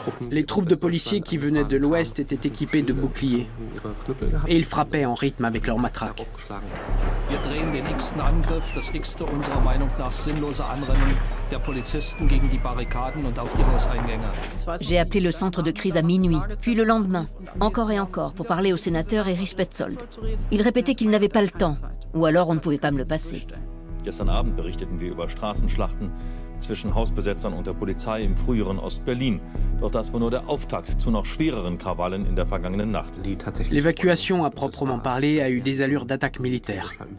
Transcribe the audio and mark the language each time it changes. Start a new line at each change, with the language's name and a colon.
French: Les troupes de policiers qui venaient de l'Ouest étaient équipées de boucliers. Et ils frappaient en rythme avec leurs matraques.
German: Wir drehen den x-ten Angriff, das x-te unserer Meinung nach sinnlose Anrennen der Polizisten gegen die Barrikaden und auf die Hauseingänge.
French: J'ai appelé le centre de crise à minuit, puis le lendemain, encore et encore, pour parler au sénateur Erich Petzold. Il répétait qu'il n'avait pas le temps, ou alors on ne pouvait pas me le passer.
German: Gestern Abend berichteten wir über Straßenschlachten zwischen Hausbesetzern und der Polizei im früheren Ost-Berlin. Doch das war nur der Auftakt zu noch schwereren Krawallen in der vergangenen Nacht.
French: L'évacuation, à proprement parler, a eu des allures d'attaque militaire.